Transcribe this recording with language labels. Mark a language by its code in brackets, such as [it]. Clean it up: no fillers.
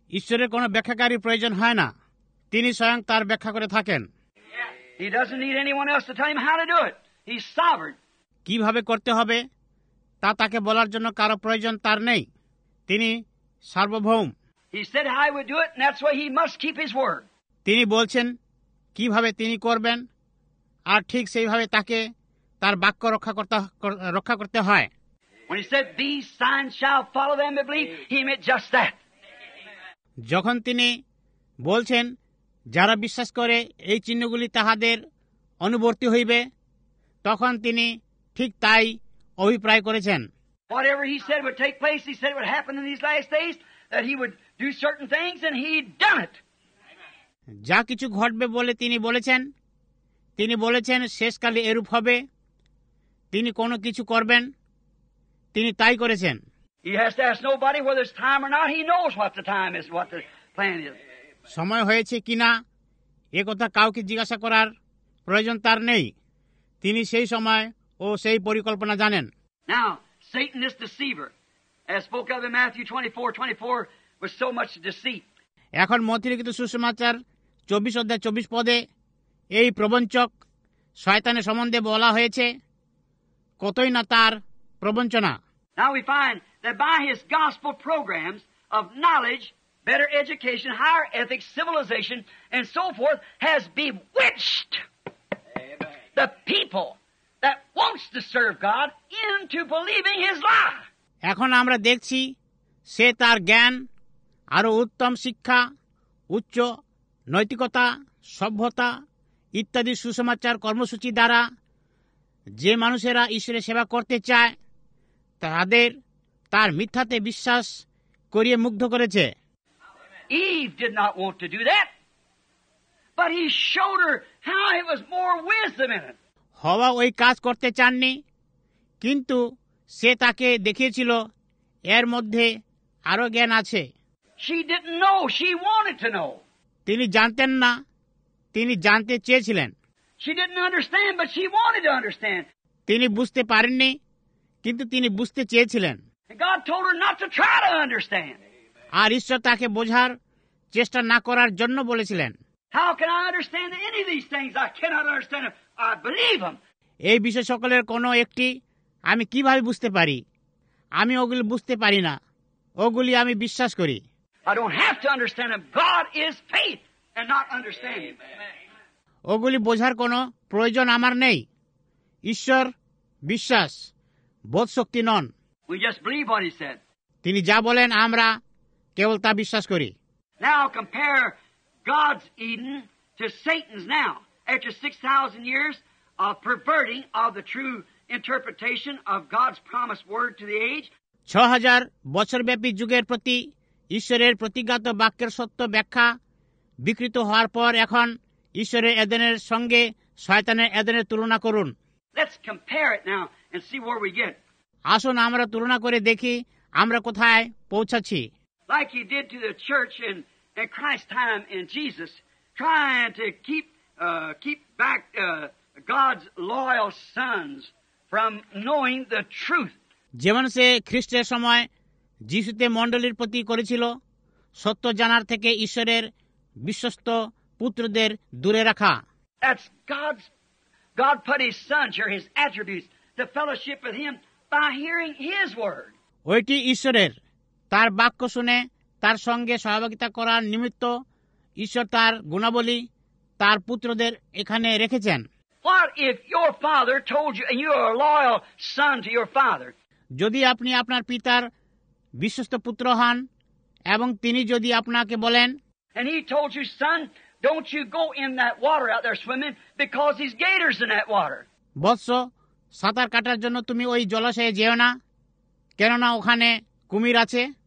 [bn] ঈশ্বরের কোন ব্যাখ্যাকারী প্রয়োজন হয় না, তিনি স্বয়ং তার ব্যাখ্যা করে থাকেন। [en] He doesn't need anyone else to tell him how to do it. He's sovereign. [bn] কিভাবে করতে হবে তা তাকে বলার জন্য কারো প্রয়োজন তার নেই, তিনি সার্বভৌম। [en] He said how he would do it, and that's why he must keep his word. [bn] তিনি বলছেন কিভাবে তিনি করবেন, আর ঠিক সেইভাবে তাকে তার বাক্য রক্ষা করতে হয়। [en] When he said, "These signs shall follow them that believe," he meant just that. [bn] যখন তিনি বলছেন যারা বিশ্বাস করে এই চিহ্নগুলি তাহাদের অনুবর্তী হইবে, তখন তিনি ঠিক তাই অভিপ্রায় করেছেন। [en] Whatever he said would take place, he said it would happen in these last days, that he would do certain things, and he'd done it. [bn] যা কিছু ঘটবে বলে তিনি বলেছেন, তিনি বলেছেন শেষকালে এরূপ হবে, তিনি কোনো কিছু করবেন, তিনি তাই করেছেন। [en] He has to ask nobody whether it's time or not. He knows what the time is, what the plan is. [bn] সময় হয়েছে কিনা এ কথা কাউকে জিজ্ঞাসা করার প্রয়োজন তার নেই, তিনি সেই সময় ও সেই পরিকল্পনা জানেন। [en] Now, Satan is deceiver. As spoke of in Matthew 24:24 was so much deceit. [bn] এখন মতিলিখিত সুসমাচার 24 অধ্যায় 24 পদে এই প্রবঞ্চক শয়তানের সম্বন্ধে বলা হয়েছে কতই না তার প্রবঞ্চনা। [en] Now we find that by his gospel programs of knowledge, better education, higher ethics, civilization, and so forth, has bewitched Amen. The people that wants to serve God into believing his lie. [bn] এখন আমরা দেখছি সে তার জ্ঞান আরো উত্তম শিক্ষা উচ্চ নৈতিকতা সভ্যতা ইত্যাদি সুসমাচার কর্মসূচি দ্বারা যে মানুষেরা ঈশ্বরের সেবা করতে চায় তাদের তার মিথ্যাতে বিশ্বাস করিয়ে মুগ্ধ করেছে। [en] Eve did not want to do that, but he showed her how it was more wisdom in it. [bn] হাওয়া ওই কাজ করতে চাননি, কিন্তু সে তাকে দেখিয়েছিল এর মধ্যে আরো জ্ঞান আছে। [en] She didn't know, she wanted to know. [bn] তিনি জানতেন না, তিনি জানতে চেয়েছিলেন। [en] She didn't understand, but she wanted to understand. [bn] তিনি বুঝতে পারেননি, কিন্তু তিনি বুঝতে চেয়েছিলেন। [en] God told her not to try to understand. [bn] আর ঈশ্বর তাকে বোঝার চেষ্টা না করার জন্য বলেছিলেন। [en] How can I understand any of these things? I cannot understand them. I believe them. [bn] এই বিষয় সকলের কোনো একটি আমি কিভাবে বুঝতে পারি? আমি ওগুলি বুঝতে পারি না, ওগুলি আমি বিশ্বাস করি। [en] I don't have to understand them. God is faith and not understanding. [bn] ওগুলি বোঝার কোনো প্রয়োজন আমার নেই, ঈশ্বর বিশ্বাস বোধশক্তি নন। [en] We just believe what he said. [bn] তিনি যা বলেন আমরা কেবল তা বিশ্বাস করি। [en] Now compare God's Eden to Satan's now. After 6,000 years of perverting of the true interpretation of God's promised word to the age. [bn] 6,000 বছরব্যাপী যুগের প্রতি ঈশ্বরের প্রতিজ্ঞাত বাক্যের সত্য ব্যাখ্যা বিকৃত হওয়ার পর এখন ঈশ্বরের এদেনের সঙ্গে শয়তানের এদেনের তুলনা করুন। [en] Let's compare it now. And see where we get. [bn] আসুন আমরা তুলনা করে দেখি আমরা কোথায় পৌঁছাচ্ছি। [en] Like he did to the church in Christ's time in Jesus, trying to keep back God's loyal sons from knowing the truth. [bn] যেমন সে খ্রিস্টের সময় যিশুতে মণ্ডলীর প্রতি করেছিল সত্য জানার থেকে ঈশ্বরের বিশ্বস্ত পুত্রদের দূরে রাখা। [en] That's God put his sons here, his attributes. The fellowship with him by hearing his word. [bn] ওইটি ঈশ্বরের তার বাক্য শুনে তার সঙ্গে সহভাগিতা করার নিমিত্ত ঈশ্বর তার গুণাবলী তার পুত্রদের এখানে রেখেছেন। [en] What if your father told you and you are a loyal son to your father? [bn] যদি আপনি আপনার পিতার বিশ্বস্ত পুত্র হন এবং তিনি যদি আপনাকে বলেন [en] And he told you, son, don't you go in that water out there swimming because these gators in that water. [bn] বৎসো সাঁতার কাটার জন্য তুমি ওই জলাশয়ে যেও না, কেননা ওখানে কুমির আছে।